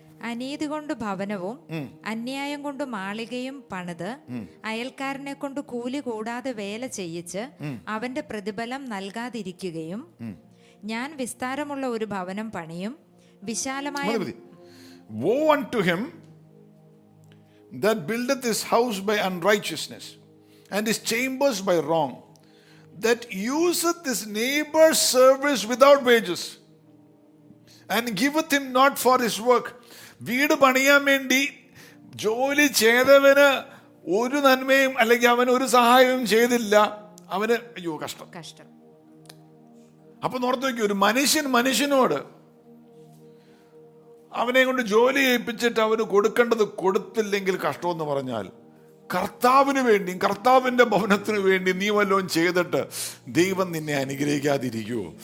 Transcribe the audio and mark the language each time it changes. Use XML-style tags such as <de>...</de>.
<ml>അനീതി കൊണ്ട് ഭവനവും അന്യായം കൊണ്ട് മാളികയും പണിത് അയൽക്കാരനെ കൊണ്ട് കൂലി കൂടാതെ വേല ചെയ്യിച്ച് അവന്റെ പ്രതിഫലം നൽകാതിരിക്കുകയും ഞാൻ വിസ്താരമുള്ള ഒരു ഭവനം പണിയും വിശാലമായ.</ml> <en>Woe unto him that buildeth his house by unrighteousness and his chambers by wrong, that useth his neighbor's service without wages and giveth him not for his work.</en> <ml>വീട് പണിയാൻ വേണ്ടി ജോലി ചെയ്തവന് ഒരു നന്മയും അല്ലെങ്കിൽ അവന് ഒരു സഹായവും ചെയ്തില്ല. അവന് അയ്യോ കഷ്ടം കഷ്ടം. അപ്പൊ നോർത്തോക്കി, ഒരു മനുഷ്യൻ മനുഷ്യനോട് അവനെ കൊണ്ട് ജോലി ചെയ്യിപ്പിച്ചിട്ട് അവന് കൊടുക്കേണ്ടത് കൊടുത്തില്ലെങ്കിൽ കഷ്ടമെന്ന് പറഞ്ഞാൽ, കർത്താവിന് വേണ്ടിയും കർത്താവിന്റെ ഭവനത്തിന് വേണ്ടിയും നീ വല്ലതും ചെയ്തിട്ട് ദൈവം നിന്നെ അനുഗ്രഹിക്കാതിരിക്കൂ.</ml>